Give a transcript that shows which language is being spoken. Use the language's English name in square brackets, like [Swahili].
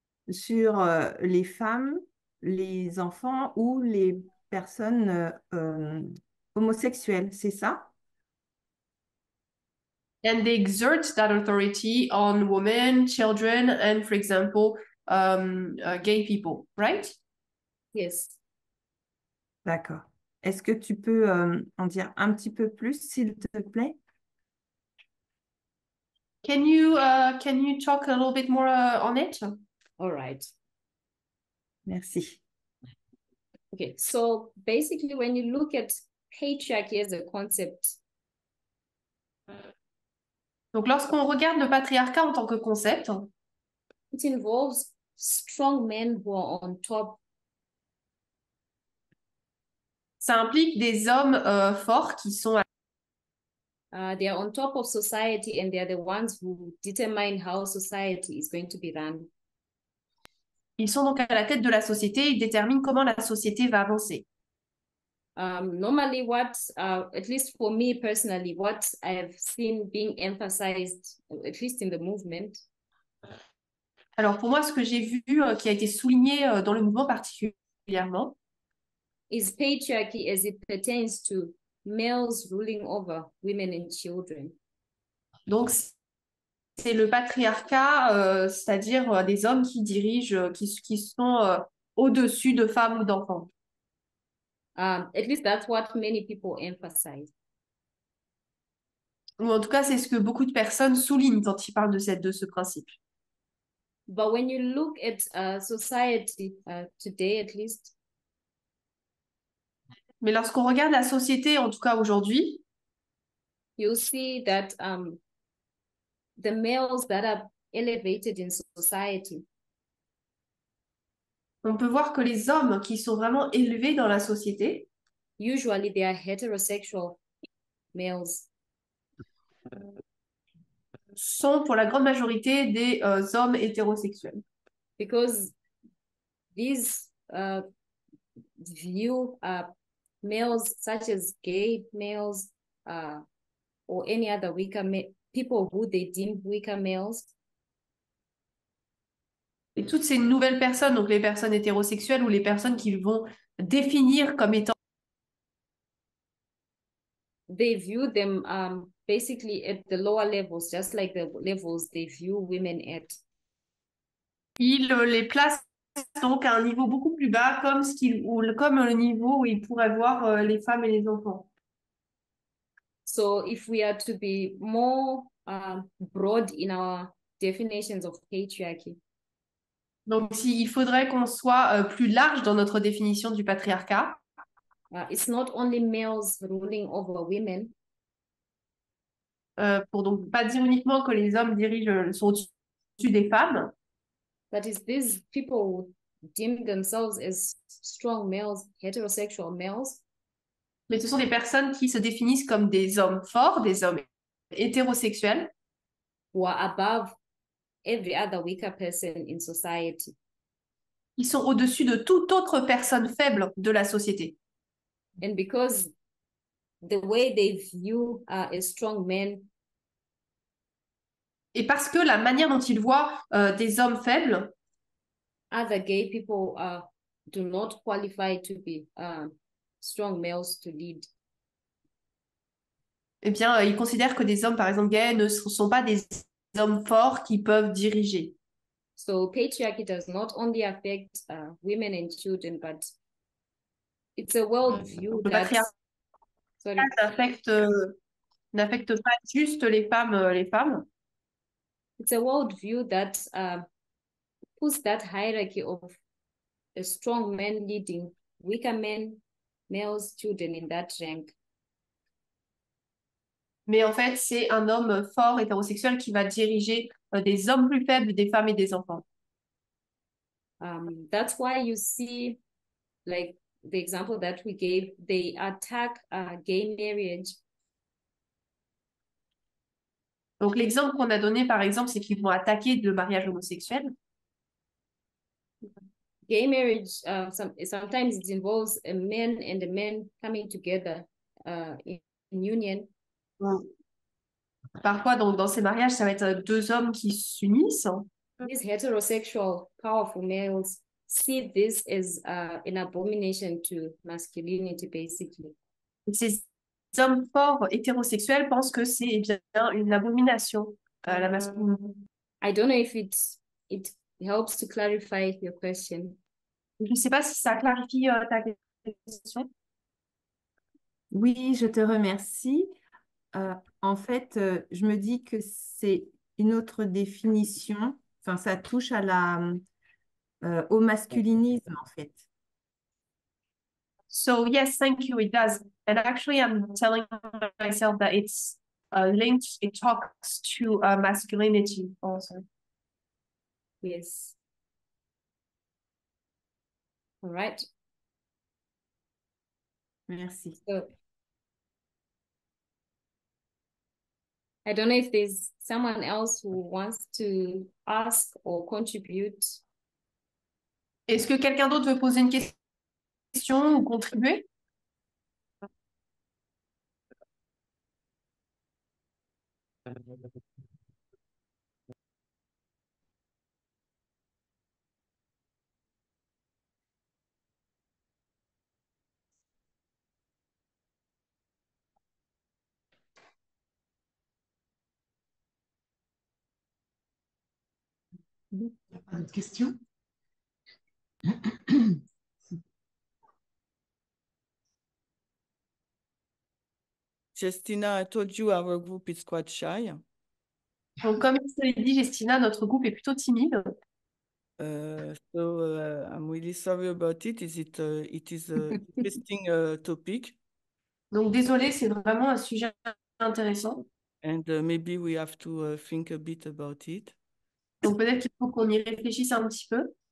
[French] Sur les femmes, les enfants ou les personnes homosexuelles, c'est ça? [English] And they exert that authority on women, children, and for example, gay people, right? Yes. [French] D'accord. Est-ce que tu peux en dire un petit peu plus, s'il te plaît? [English] Can you talk a little bit more on it? All right. [French] Merci. [English] Okay, so basically, when you look at patriarchy as a concept, [French] Donc, lorsqu'on regarde le patriarcat en tant que concept, [English] it involves strong men who are on top. [French] ça implique des hommes forts qui sont [English] They are on top of society and they are the ones who determine how society is going to be run. [French] ils sont donc à la tête de la société, ils déterminent comment la société va avancer. [English] Normally, what, at least for me personally, what I have seen being emphasized, at least in the movement, [French] Alors pour moi, ce que j'ai vu qui a été souligné dans le mouvement particulièrement, [English] is patriarchy as it pertains to males ruling over women and children. [French] Donc, c'est le patriarcat, c'est-à-dire des hommes qui dirigent, qui sont au-dessus de femmes ou d'enfants. [English] At least that's what many people emphasize. [French] Ou en tout cas, c'est ce que beaucoup de personnes soulignent quand ils parlent de ce principe. [English] But when you look at society today, at least. [French] Mais lorsqu'on regarde la société, en tout cas aujourd'hui, [English] you see that the males that are elevated in society. [French] On peut voir que les hommes qui sont vraiment élevés dans la société, [English] usually they are heterosexual males. [French] Sont pour la grande majorité des hommes hétérosexuels. [English] Because these view males such as gay males or any other weaker people who they deem weaker males. [French] Et toutes ces nouvelles personnes, donc les personnes hétérosexuelles ou les personnes qu'ils vont définir comme étant. [English] They view them basically at the lower levels, just like the levels they view women at. [French] Ils les placent donc à un niveau beaucoup plus bas, comme le niveau où ils pourraient voir les femmes et les enfants. [English] So if we are to be more broad in our definitions of patriarchy. [French] Donc, si, il faudrait qu'on soit plus large dans notre définition du patriarcat. [English] It's not only males ruling over women. [French] Pour donc pas dire uniquement que les hommes dirigent sont au-dessus des femmes. [English] But is these people deem themselves as strong males, heterosexual males? [French] Mais ce sont des personnes qui se définissent comme des hommes forts, des hommes hétérosexuels. [English] Who are above every other weaker person in society. [French] Ils sont au-dessus de toute autre personne faible de la société. [English] And because the way they view a strong man. [French] Et parce que la manière dont ils voient des hommes faibles. [English] Other gay people do not qualify to be strong males to lead. [French] Eh bien, ils considèrent que des hommes, par exemple, gays, ne sont pas des hommes forts qui peuvent diriger. [English] So patriarchy does not only affect women and children, but it's a world view [French] le patriarcat n'affecte pas juste les femmes. [English] It's a world view that puts that hierarchy of a strong man leading weaker men, males, children in that rank. [French] Mais en fait, c'est un homme fort hétérosexuel qui va diriger des hommes plus faibles, des femmes et des enfants. [English] That's why you see, like the example that we gave, they attack gay marriage. [French] Donc l'exemple qu'on a donné, par exemple, c'est qu'ils vont attaquer le mariage homosexuel. [English] Gay marriage, sometimes it involves a man and a man coming together in union. [French] Parfois, donc, dans ces mariages, ça va être deux hommes qui s'unissent. [English] These heterosexual, powerful males see this as an abomination to masculinity, basically. [French] Ces hommes forts hétérosexuels pensent que c'est bien une abomination à la masculinité. [English] I don't know if it helps to clarify your question. [French] Je ne sais pas si ça clarifie ta question. Oui, je te remercie. En fait, je me dis que c'est une autre définition. Enfin, ça touche à au masculinisme, en fait. [English] So yes, thank you. It does. And actually, I'm telling myself that it's linked. It talks to masculinity also. Yes. All right. [French] Merci. [English] I don't know if there's someone else who wants to ask or contribute. [French] Est-ce que quelqu'un d'autre veut poser une question ou contribuer? Y a pas d'autres questions? [English] Justina, I told you our group is quite shy. [French] Donc, comme je te l'ai dit, Justina, notre groupe est plutôt timide. [English] I'm really sorry about it. It is interesting topic. [French] Donc, désolé, c'est vraiment un sujet intéressant. [English] And maybe we have to think a bit about it. [French] Donc, peut-être qu'il faut qu'on y réfléchisse un petit peu.